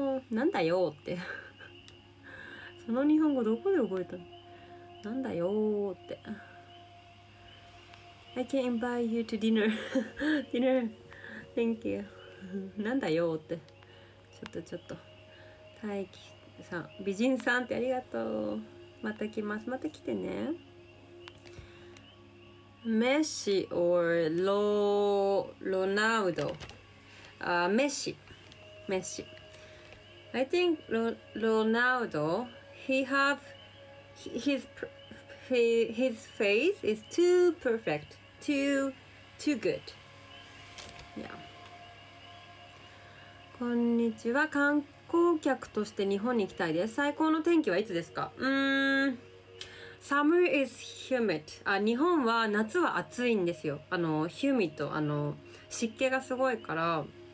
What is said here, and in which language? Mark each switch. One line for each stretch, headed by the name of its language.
Japanese: なんだよーってその日本語どこで覚えたの、なんだよーって。
English: I can invite you to dinner dinner thank you
Japanese: なんだよーって。ちょっとちょっと、大輝さん美人さんってありがとう。また来ます、また来てね。メッシ or ロナウド、メッシ、メッシ。
English: I think Ronaldo, his face is too perfect, too good. Yeah.
Japanese: こんにちは。観光客として日本に行きたいです。最高の天気はいつですか？
English: Summer is humid.
Japanese: 日本は夏は暑いんですよ。humid、湿気がすごいから。